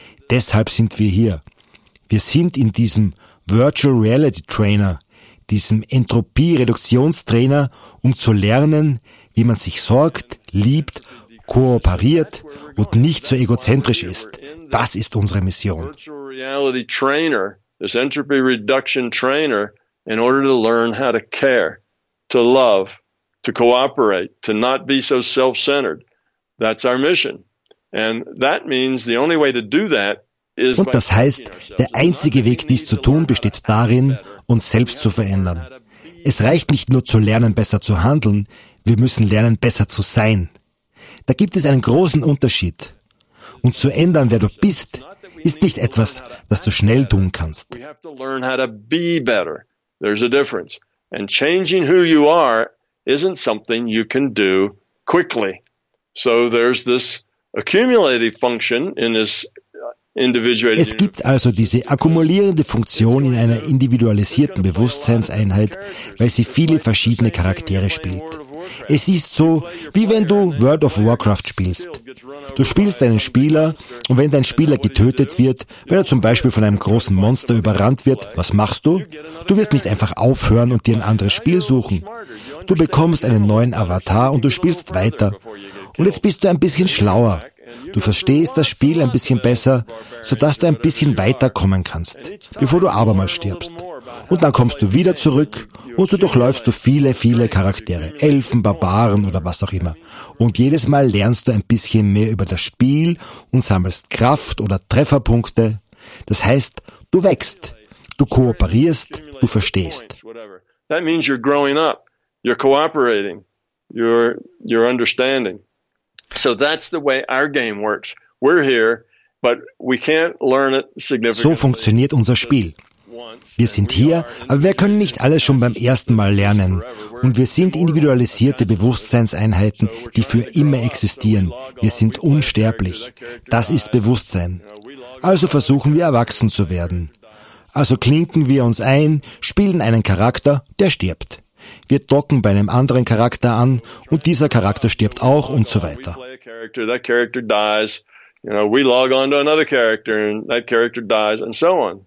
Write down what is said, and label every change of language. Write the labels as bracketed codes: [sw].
[de] Deshalb sind wir hier. Wir sind in diesem Virtual Reality Trainer, diesem Entropie-Reduktionstrainer, um zu lernen, wie man sich sorgt, liebt, kooperiert und nicht so egozentrisch ist. Das ist unsere Mission. [en] Virtual Reality Trainer, this entropy reduction trainer, in order to learn how to care, to love, to cooperate, to not be so self-centered. That's our mission. And that means the only way to do that is. [de] Und das heißt, der einzige Weg, dies zu tun, besteht darin, uns selbst zu verändern. Es reicht nicht nur zu lernen, besser zu handeln, wir müssen lernen, besser zu sein. Da gibt es einen großen Unterschied. Und zu ändern, wer du bist, ist nicht etwas, das du schnell tun kannst. [en] We have to learn how to be better. There's a difference. And changing who you are isn't something you can do quickly. So there's this accumulative function in this individuated. [de] Es gibt also diese akkumulierende Funktion in einer individualisierten Bewusstseinseinheit, weil sie viele verschiedene Charaktere spielt. Es ist so, wie wenn du World of Warcraft spielst. Du spielst einen Spieler und wenn dein Spieler getötet wird, wenn er zum Beispiel von einem großen Monster überrannt wird, was machst du? Du wirst nicht einfach aufhören und dir ein anderes Spiel suchen. Du bekommst einen neuen Avatar und du spielst weiter. Und jetzt bist du ein bisschen schlauer. Du verstehst das Spiel ein bisschen besser, sodass du ein bisschen weiterkommen kannst, bevor du abermals stirbst. Und dann kommst du wieder zurück und so durchläufst du viele, viele Charaktere, Elfen, Barbaren oder was auch immer. Und jedes Mal lernst du ein bisschen mehr über das Spiel und sammelst Kraft oder Trefferpunkte. Das heißt, du wächst, du kooperierst, du verstehst. [en] That means you're growing up, you're cooperating, you're understanding. So that's the way our game works. We're here, but we can't learn it significantly. [de] So funktioniert unser Spiel. Wir sind hier, aber wir können nicht alles schon beim ersten Mal lernen. Und wir sind individualisierte Bewusstseinseinheiten, die für immer existieren. Wir sind unsterblich. Das ist Bewusstsein. Also versuchen wir, erwachsen zu werden. Also klinken wir uns ein, spielen einen Charakter, der stirbt. Wir docken bei einem anderen Charakter an und dieser Charakter stirbt auch und so weiter. [en] We play a character, that character dies. You know, we log on to another character and that character dies and so on.